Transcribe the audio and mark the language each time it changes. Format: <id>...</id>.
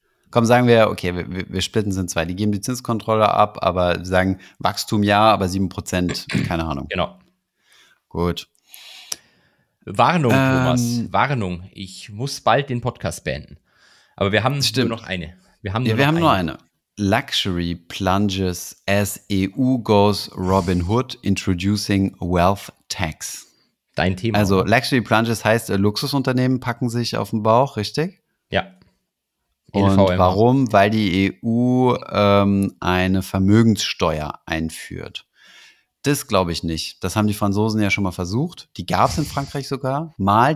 <de>Komm, sagen wir, okay, wir splitten es in zwei. Die geben die Zinskontrolle ab, aber sagen Wachstum ja, aber 7%, keine Ahnung. Genau. Gut. Warnung, Thomas, Warnung. Ich muss bald den Podcast beenden. Aber wir haben nur noch eine. Wir haben nur eine.</de> <en>Luxury plunges as EU goes Robin Hood introducing wealth tax.</en> <de>Dein Thema. Also</de> <en>Luxury plunges</en> <de>heißt, Luxusunternehmen packen sich auf den Bauch, richtig? Ja. Und warum? Weil die EU eine Vermögenssteuer einführt. Das glaube ich nicht. Das haben die Franzosen ja schon mal versucht. Die gab es in Frankreich sogar mal.</de>